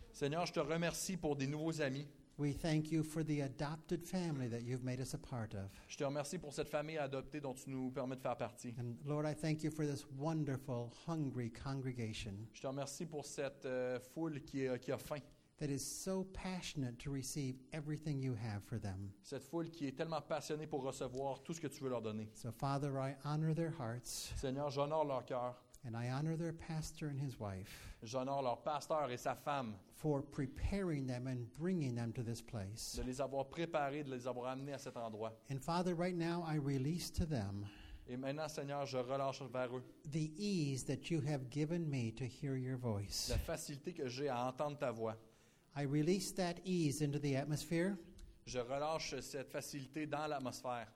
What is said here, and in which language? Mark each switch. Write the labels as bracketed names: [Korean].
[French] Seigneur, je te remercie pour des nouveaux amis. [English] We thank you for the adopted family that you've made us a part of. [French] Je te remercie pour cette famille adoptée dont tu nous permets de faire partie. [English] And Lord, I thank you for this wonderful, hungry congregation. [French] Je te remercie pour cette foule qui a faim. [English] That is so passionate to receive everything you have for them. [French] Cette foule qui est tellement passionnée pour recevoir tout ce que tu veux leur donner. [English] So Father, I honor their hearts. [French] Seigneur, j'honore leur cœur. [English] And I honor their pastor and his wife. [French] J'honore leur pasteur et sa femme. [English] For preparing them and bringing them to this place. [French] De les avoir préparés, de les avoir amenés à cet endroit. [English] And Father, right now I release to them. [French] Et maintenant, Seigneur, je relâche vers eux. [English] The ease that you have given me to hear your voice. [French] La facilité que j'ai à entendre ta voix. [English] I release that ease into the atmosphere. [French] Je relâche cette facilité dans l'atmosphère.